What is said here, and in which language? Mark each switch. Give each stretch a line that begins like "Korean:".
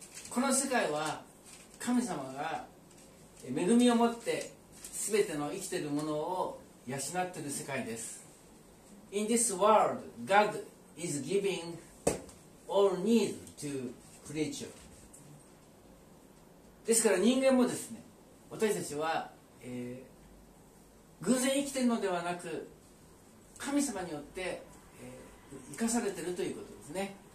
Japanese: この世界は神様が恵みを持って全ての生きているものを養っている世界です。
English: In this world, God is giving all need to creature.
Japanese: ですから人間もですね、私たちは、偶然生きているのではなく神様によって、生かされているということですね。